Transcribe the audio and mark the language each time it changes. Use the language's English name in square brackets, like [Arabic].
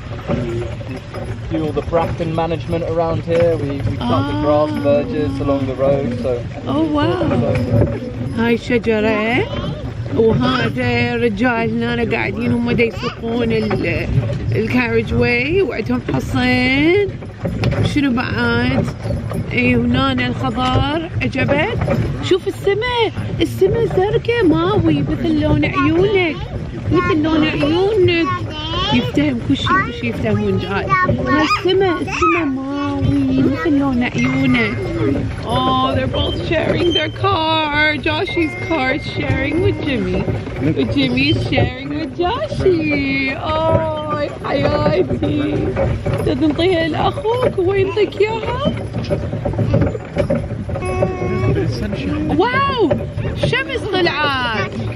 [English] We do all the bracken management around here. We cut the grass verges along the road. So. Oh wow! Hi, Shajara. Oh, hi there, Rajal. Not a guardian. We're going to go on the carriageway. We're going to pass. [Arabic] شنو بعد؟ ايه هنا الخضار عجبك؟ شوف السماء زرقاء ماوي مثل لون عيونك مثل لون عيونك يفتهم كوشي كوشي يفتهمون جاي السماء ماوي مثل لون عيونك. [English] Oh, they're both sharing their car. Joshi's car is sharing with Jimmy. Jimmy is sharing with Joshi. [Arabic] Oh, حياتي. تنطيها لأخوك وينطيك ياها. Wow, شمس طلعت.